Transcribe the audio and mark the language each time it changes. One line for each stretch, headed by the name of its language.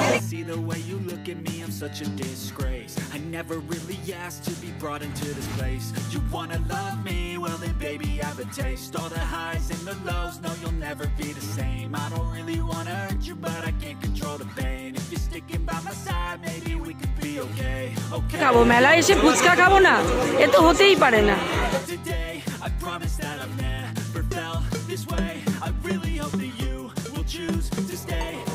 English: See the way you look at me, I'm such a disgrace. I never really asked to be brought into this place. You wanna love me, well then baby I have a taste. All the highs and the lows, no you'll never be the same. I don't really wanna hurt you, but I can't control the pain. If you're sticking by my side, maybe we could be okay. Okay.
Bangla: খাবো মেলা এসে ফুচকা খাবো না, এ তো হতেই পারে না।
English: Today, I promise that I've never felt this way. I really hope that you will choose to stay.